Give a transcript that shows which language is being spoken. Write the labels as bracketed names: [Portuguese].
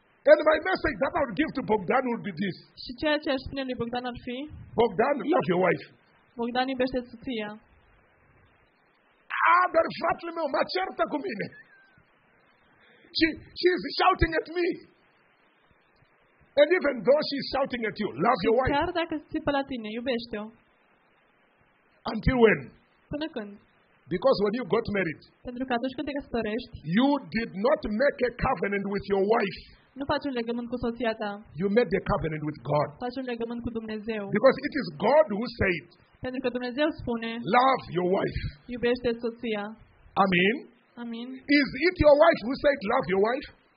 [English] And my message that I would give to Bogdan would be this. [Romanian] Și ceea ce aș spune lui Bogdan ar fi? [English] Bogdan, love your wife. [Romanian] Bogdan, iubește soția. Ah, dar fratele meu, mă certă cu mine. [English] She is shouting at me. And even though she is shouting at you, love your wife. [Romanian] Chiar dacă se țipă la tine, iubește-o. [English] Until when? [Romanian] Până când? [English] Because when you got married, [Romanian] pentru că atunci când te căsătorești, [English] you did not make a covenant with your wife. [Romanian] Nu faci un legământ cu soția ta. [English] You made the covenant with God. [Romanian] Faci un legământ cu Dumnezeu. [English] Because it is God who said, [Romanian] pentru că Dumnezeu spune, [English] love your wife. [Romanian] Iubește soția. [English] Amen. [Romanian] Amen. [English] Is it your wife who said love your wife?